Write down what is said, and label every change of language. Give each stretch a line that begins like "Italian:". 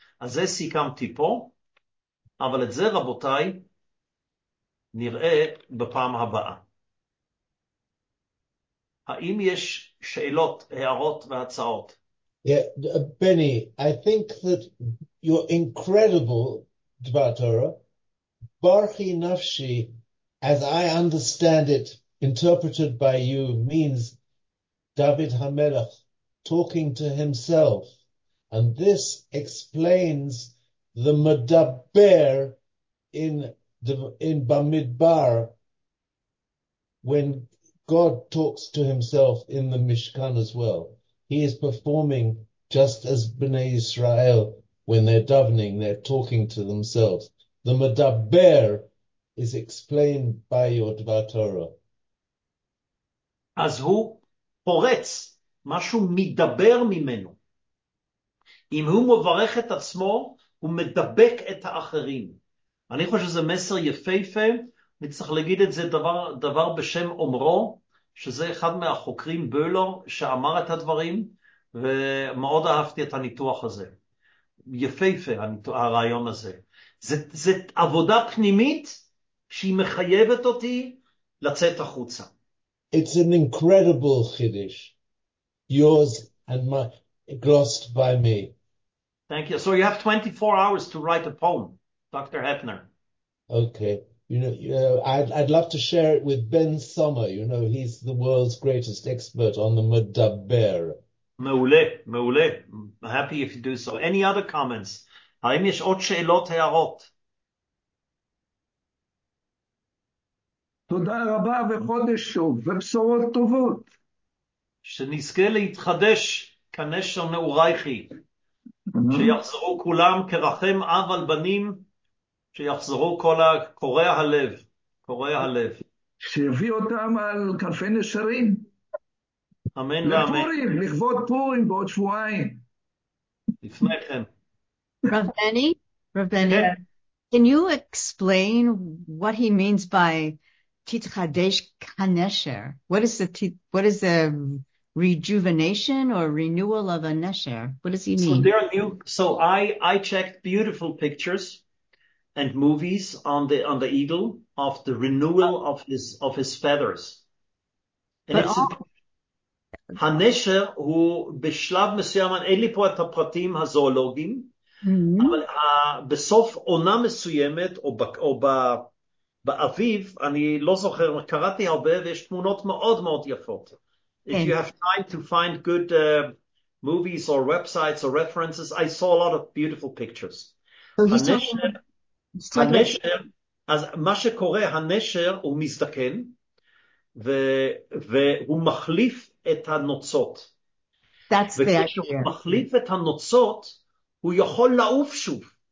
Hebrew: אז זה סיכמתי פה, אבל את זה רבותיי נראה בפעם הבאה. האם יש שאלות, הערות והצעות?
English: Yeah, Benny, I think that your incredible Dvar Torah, Barchi Nafshi, as I understand it, interpreted by you, means David HaMelech talking to himself. And this explains the Medaber in Bamidbar, when God talks to himself in the Mishkan as well. He is performing just as Bnei Israel, when they're davening, they're talking to themselves. The Medaber is explained by your Dvar Torah.
Hebrew: אז הוא פורץ, משהו מדבר ממנו. אם הוא מברך את עצמו, הוא מדבק את האחרים. אני חושב שזה מסר יפהפה, אני צריך להגיד את זה דבר בשם אומרו, שזה אחד מהחוקרים בולר שאמר את הדברים, ומאוד אהבתי את הניתוח הזה. יפהפה הרעיון הזה. זה עבודה פנימית שהיא מחייבת אותי לצאת החוצה.
English: It's an incredible Kiddush, yours and my, glossed by me. Thank you. So you have 24 hours to write a poem, Dr. Heppner. Okay. You know, I'd love to share it with Ben Sommer. You know, he's the world's greatest expert on the Medaber.
Hebrew: Meule, meule.
English: Happy if you do so. Any other comments?
Hebrew: האם יש עוד שאלות, הערות? תודה רבה וחודש שוב, ובשורות טובות. שנזכה להתחדש כנשר נעורייכי, שיחזרו כולם כרחם אב על בנים, שיחזרו כל הקוראי הלב, קוראי הלב. שיביא אותם על כנפי נשרים. אמן ואמן. לפורים, לכבוד פורים בעוד שבועיים. לפני כן.
English: Rav Benny,
Hebrew: כן.
English: Can you explain what he means by
Hebrew: Titchadesh Kanesher?
English: What is the rejuvenation or renewal of a nesher? What does he mean? So there are new. So I checked beautiful pictures and movies on the eagle of the renewal of his feathers. And but it's
Hebrew: Hanesher who beshlav mesuyam ein li po et hapratim hazoologim. אבל בסוף עונה מסוימת, או באביב, אני לא זוכר, קראתי הרבה, ויש תמונות מאוד מאוד יפות.
English: If you have time to find good movies or websites or references, I saw a lot of beautiful pictures.
Hebrew: הנשר, אז מה שקורה, הנשר הוא מזדקן, והוא מחליף את הנוצות. וכשהוא מחליף את הנוצות, הוא יכול לעוף שוב.